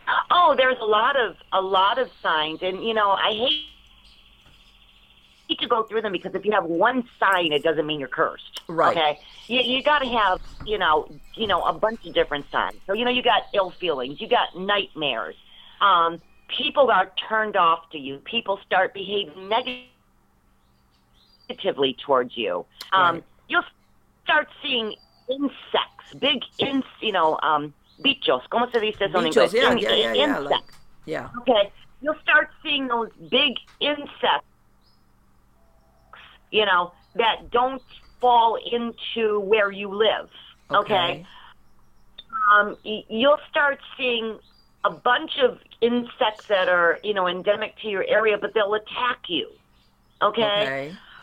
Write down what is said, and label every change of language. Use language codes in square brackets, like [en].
[en] Oh, there's a lot of signs, and you know, I hate to go through them because if you have one sign, it doesn't mean you're cursed. Okay, you got to have a bunch of different signs. So you know, you got ill feelings, you got nightmares, people are turned off to you, people start behaving negatively towards you. You'll start seeing insects, big ins, [es] Bichos, ¿cómo se dice eso en inglés? [en] Insects. Like, Okay. You'll start seeing those big insects, that don't fall into where you live, okay? You'll start seeing a bunch of insects that are, you know, endemic to your area, but they'll attack you, okay?